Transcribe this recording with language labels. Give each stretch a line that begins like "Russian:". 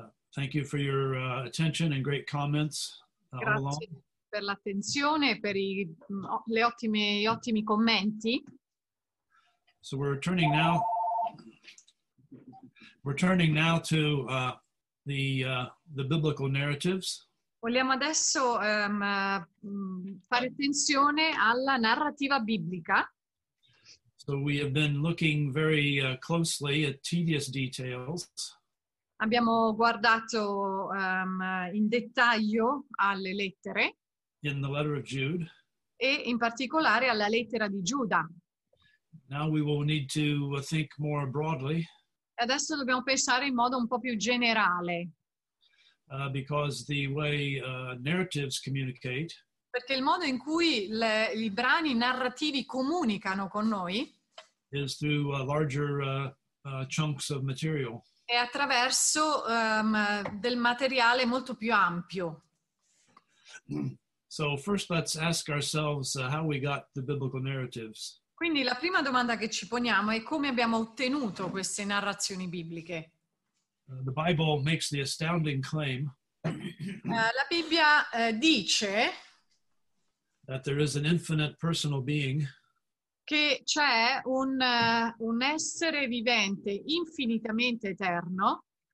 English: Thank you for your attention and great comments.
Italian: Grazie per l'attenzione e per gli ottimi commenti.
English: So we're turning now to the biblical narratives.
Italian: Vogliamo adesso fare attenzione alla narrativa biblica.
English: So we have been looking very closely at tedious details.
Italian: Abbiamo guardato in dettaglio alle lettere.
English: In the letter of Jude.
Italian: E in particolare alla lettera di Giuda.
English: Now we will need to think more broadly.
Italian: Adesso dobbiamo pensare in modo un po' più generale.
English: Because the way narratives communicate.
Italian: Perché il modo in cui i brani narrativi comunicano con noi.
English: Is through larger chunks of material.
Italian: È attraverso del materiale molto più ampio.
English: So first let's ask ourselves how we got the biblical narratives.
Italian: Quindi la prima domanda che ci poniamo è come abbiamo ottenuto queste narrazioni bibliche.
English: The Bible makes the astounding claim.
Italian: La Bibbia dice
English: that there is an infinite personal being.
Italian: Che c'è un essere vivente infinitamente eterno